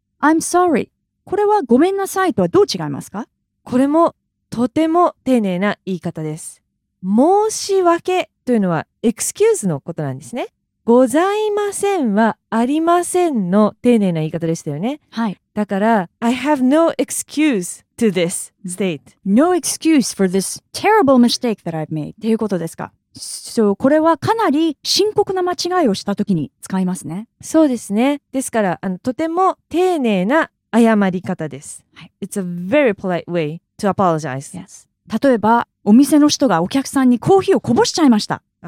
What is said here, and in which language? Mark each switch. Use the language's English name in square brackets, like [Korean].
[English] I'm sorry. [Japanese] これはごめんなさいとはどう違いますか? これも、とても丁寧な言い方です。申し訳というのは excuse のことなんですね。ございませんはありませんの丁寧な言い方でしたよね。はい。 [English] だから I have no excuse to this state. No excuse for this terrible mistake that I've made [Japanese] っていうことですか。 So, これはかなり深刻な間違いをしたときに使いますね。そうですね。ですからとても丁寧な謝り方です。はい、 [English] It's a very polite way to apologize. Yes. [Japanese] 例えばお店の人がお客さんにコーヒーをこぼしちゃいました。